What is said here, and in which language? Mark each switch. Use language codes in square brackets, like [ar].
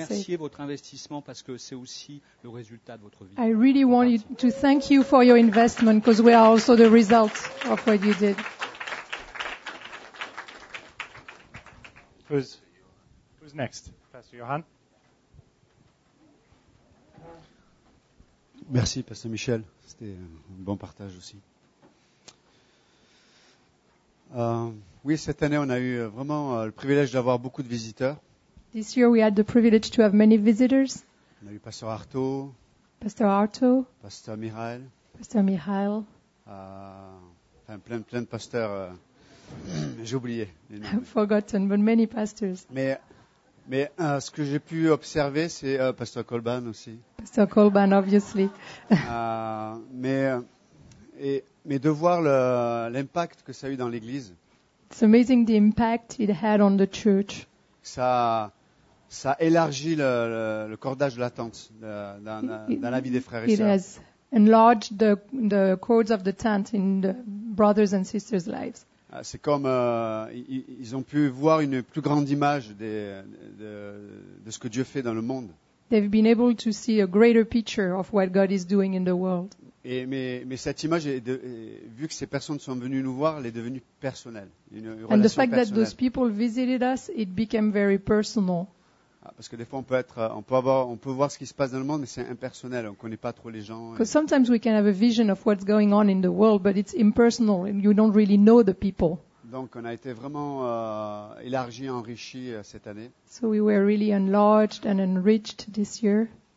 [fr] Juste remercier votre investissement parce que c'est aussi le résultat de votre vie. [en] I really want you to thank you for your investment because we are also the result of what you did. Who's next? Pastor Johan. [fr] Merci, Pasteur Michel. C'était un bon partage aussi. Oui, cette année, on a eu vraiment le privilège d'avoir beaucoup de visiteurs. [en] This year, we had the privilege to have many visitors. [fr] On a eu Pasteur Artaud. Pasteur Artaud. Pasteur Mihail. Pasteur Mihail. Plein de pasteurs. J'ai oublié. [en] Forgotten, but many pastors. [fr] Mais ce que j'ai pu observer, c'est Pasteur Colban aussi. [en] Pasteur Colban, obviously. [fr] Mais de voir l'impact que ça a eu dans l'église. [en] It's amazing the impact it had on the church. [fr] Ça élargit le cordage de la tente dans la vie des frères et sœurs. [en] It has enlarged the cords of the tent in the brothers and sisters' lives. [fr] C'est comme ils ont pu voir une plus grande image de ce que Dieu fait dans le monde. [en] They've been able to see a greater picture of what God is doing in the world. [fr] Et mais cette image, vu que ces personnes sont venues nous voir, elle est devenue personnelle. [en] And the fact that those people visited us, it became very personal. [fr] Parce que des fois, on peut voir ce qui se passe dans le monde, mais c'est impersonnel. On ne connaît pas trop les gens. [en] Because sometimes we can have a vision of what's going on in the world, but it's impersonal, and you don't really know the people. [fr] Donc, on a été vraiment élargi, enrichi cette année. [en] So we were really enlarged and enriched this year.